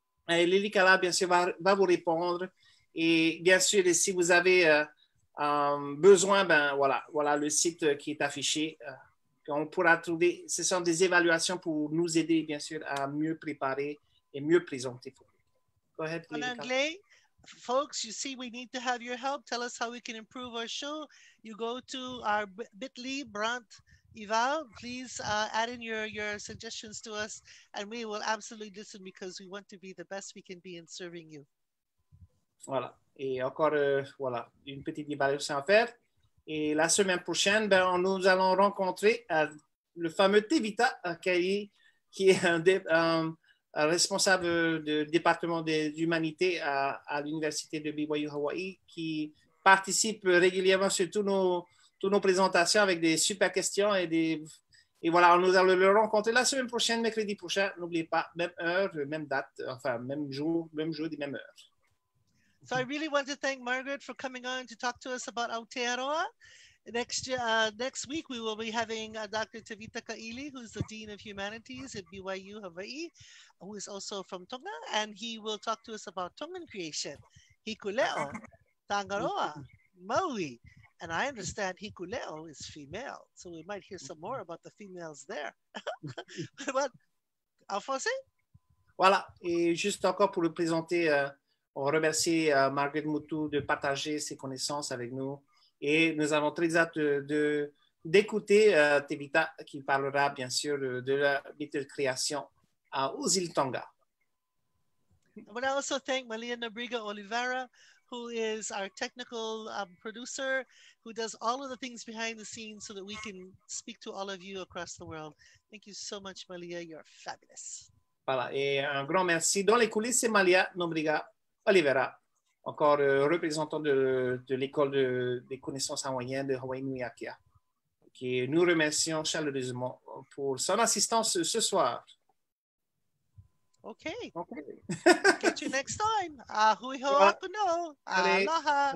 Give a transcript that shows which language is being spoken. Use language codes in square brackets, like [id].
[fr] Et Lilikalā, bien sûr, va vous répondre. Et bien sûr, si vous avez besoin, ben voilà le site qui est affiché. On pourra trouver, ce sont des évaluations pour nous aider, bien sûr, à mieux préparer et mieux présenter. [en] Go ahead, Lilikalā. [fr] En anglais, [en] folks, you see, we need to have your help. Tell us how we can improve our show. You go to our bit.ly, Brandt, Ival, please add in your suggestions to us, and we will absolutely listen because we want to be the best we can be in serving you. [fr] Voilà. Et encore, voilà, une petite évaluation à faire. Et la semaine prochaine, ben, nous allons rencontrer le fameux Tevita, qui est un responsable du département des humanités à l'Université de BYU Hawaii, qui participe régulièrement sur toutes nos présentations avec des super questions. Et voilà, nous allons le rencontrer la semaine prochaine, mercredi prochain. N'oubliez pas, même heure, même date, enfin, même jour et même heure. [en] So I really want to thank Margaret for coming on to talk to us about Aotearoa. Next week, we will be having Dr. Tevita Kaili, who's the Dean of Humanities at BYU Hawaii, who is also from Tonga, and he will talk to us about Tongan creation, Hikuleo, Tangaroa, Maui, and I understand Hikuleo is female, so we might hear some more about the females there. But, Alphonse? [fr] Voilà, et juste encore pour le présenter... On remercie Margaret Mutu de partager ses connaissances avec nous. Et nous avons très hâte d'écouter Tevita qui parlera bien sûr de la bitter création aux îles Tonga. [en] I would also thank Malia Nabriga Oliveira, who is our technical producer, who does all of the things behind the scenes so that we can speak to all of you across the world. Thank you so much, Malia. You're fabulous. [fr] Voilà. Et un grand merci. Dans les coulisses, c'est Malia Nabriga Oliveira, encore représentant de l'École des connaissances hawaïennes de Hawaii Nuiākea, qui nous remercions chaleureusement pour son assistance ce soir. [en] OK. Catch you next time. [haw] Ahui ho aku no. [en] Aloha.